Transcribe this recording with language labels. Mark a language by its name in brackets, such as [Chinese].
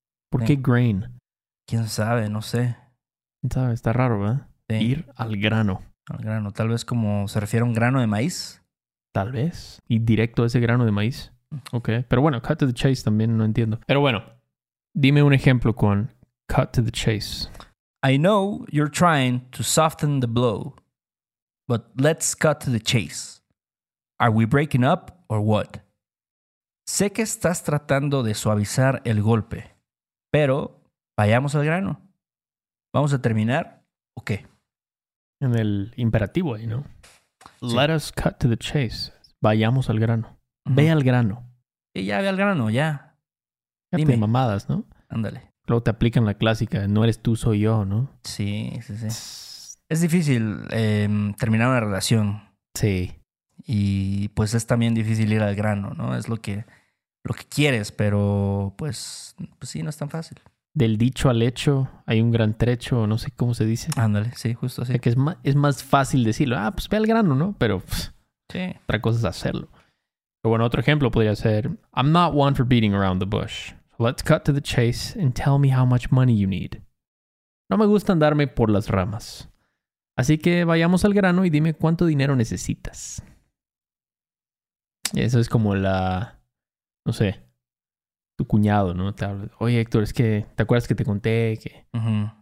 [Spanish] ¿Por qué grain? ¿Quién sabe? No sé. ¿Quién sabe? Está raro, ¿verdad? Sí. Ir al grano. Al grano. Tal vez como se refiere a un grano de maíz. Tal vez. Y directo a ese grano de maíz. Ok. Pero bueno, [English] cut to the chase [Spanish] también no entiendo. Pero bueno, dime un ejemplo con [English] cut to the chase. I know you're trying to soften the blow, but let's cut to the chase. Are we breaking up or what? [Spanish] Sé que estás tratando de suavizar el golpe, pero vayamos al grano. ¿Vamos a terminar o qué? En el imperativo ahí, ¿no? Sí. [English] Let us cut to the chase. [Spanish] Vayamos al grano. Uh-huh. Ve al grano. Y ya ve al grano, ya. Dime. Ya te mamadas, ¿no? Ándale. Luego te aplican la clásica, no eres tú, soy yo, ¿no? Sí, sí, sí. Es difícil terminar una relación. Sí. Y pues es también difícil ir al grano, ¿no? Es lo que quieres, pero pues sí, no es tan fácil. Del dicho al hecho, hay un gran trecho, no sé cómo se dice. Ándale, sí, justo así. O sea, que es más fácil decirlo, pues ve al grano, ¿no? Pero sí. Otra cosa es hacerlo. Pero bueno, otro ejemplo podría ser, [English] I'm not one for beating around the bush. Let's cut to the chase and tell me how much money you need. [Spanish] No me gusta andarme por las ramas. Así que vayamos al grano y dime cuánto dinero necesitas. Eso es como la... no sé. Tu cuñado, ¿no? Te habla. Oye, Héctor, es que... ¿te acuerdas que te conté que... uh-huh.